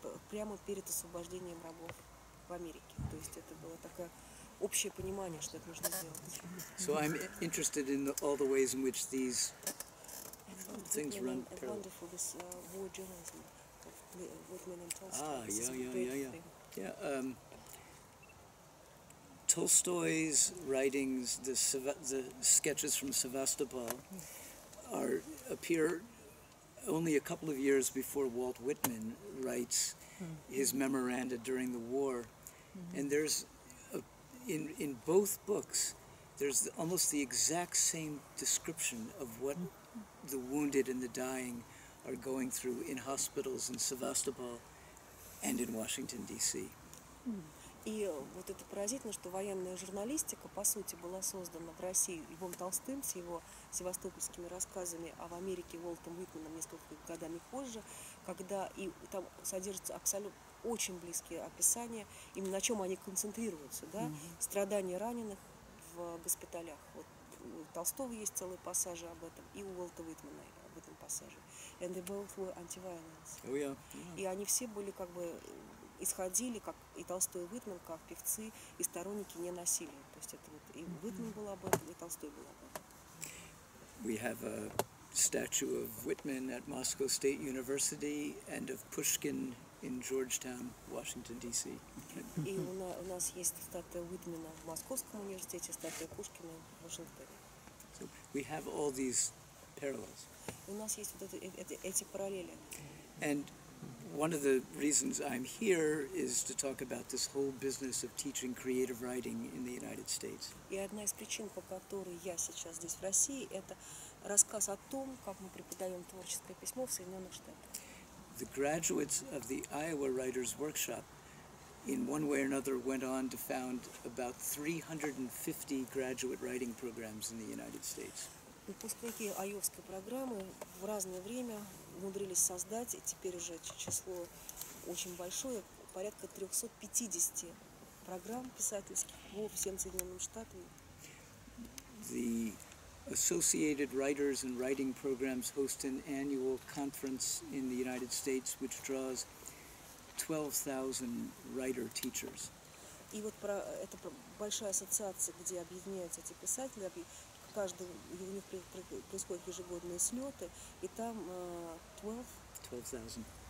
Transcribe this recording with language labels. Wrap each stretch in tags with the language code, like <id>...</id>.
<ru>прямо перед освобождением рабов в Америке. То есть это было такое общее понимание, что это нужно сделать.</ru> <en>So I'm interested in all the ways in which these things run parallel. This war journalism, what men and Tolstoy. Tolstoy's writings, the sketches from Sevastopol, appear only a couple of years before Walt Whitman writes his memoranda during the war, and there's in both books there's almost the exact same description of what the wounded and the dying are going through in hospitals in Sevastopol and in Washington D.C.</en> <ru>И вот это поразительно, что военная журналистика, по сути, была создана в России Львом Толстым с его севастопольскими рассказами, а в Америке Уолтом Уитменом несколько годами позже, когда и там содержатся абсолютно очень близкие описания, именно на чем они концентрируются, да, страдания раненых в госпиталях. Вот у Толстого есть целые пассажи об этом, и у Уолта Уитмена об этом пассаже.</ru> <en>And they both were anti-violence. Oh, yeah. Yeah.</en> <ru>И они все были как бы... исходили, как и Толстой, и Уитмен, как певцы и сторонники ненасилия. То есть это вот и Уитмен был об этом, и Толстой был об этом.</ru> <en>We have a statue of Whitman at Moscow State University and of Pushkin in Georgetown, Washington, D.C.</en> <ru>И у нас есть статуя Уитмена в Московском университете, статуя Пушкина в Вашингтоне.</ru> <en>So we have all these parallels.</en> <ru>У нас есть вот эти параллели.</ru> <en>And one of the reasons I'm here is to talk about this whole business of teaching creative writing in the United States.</en> <ru>И одна из причин, по которой я сейчас здесь в России, это рассказ о том, как мы преподаем творческое письмо в Соединенных Штатах.</ru> <en>The graduates of the Iowa Writers Workshop, in one way or another, went on to found about 350 graduate writing programs in the United States.</en> <ru>Выпускники Айовской программы в разное время умудрились создать, и теперь уже число очень большое, порядка 350 программ писательских во всем Соединенным Штатам.</ru> <en>The Associated Writers and Writing Programs host an annual conference in the United States, which draws 12,000 writer teachers.</en> <ru>И вот про это большая ассоциация, где объединяются эти писатели. Каждый, у них происходят ежегодные слеты, и там 12,000.</ru>